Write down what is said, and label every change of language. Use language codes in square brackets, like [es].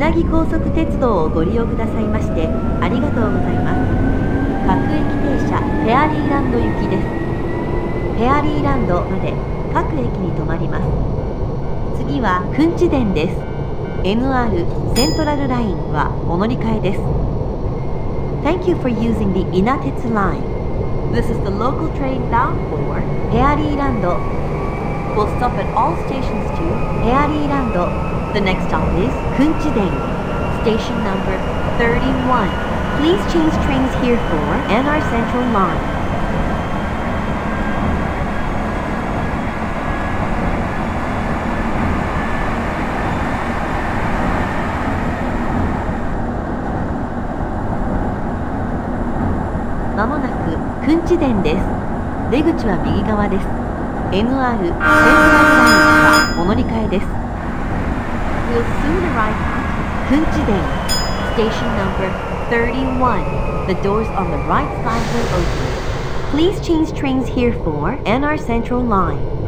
[ja] 高速鉄道をご利用くださいましてありがとうございます。各駅停車ペアリーランド行きです。ペアリーランドまで各駅に停まります。次はクンチデンです。NR セントラルラインはお乗り換えです。 [en] Thank you for using the Inatetsu line. This is the local train bound for ペアリーランド。 We'll stop at all stations to ペアリーランド。 The next stop is Kunchiden, station number 31. Please change trains here for NR Central Line. [ja] まもなく Kunchiden です。出口は右側です。 NR Central Line はお乗り換えです。 [en] We'll soon arrive at Kunchiden, station number 31. The doors on the right side will open. Please change trains here for NR Central Line.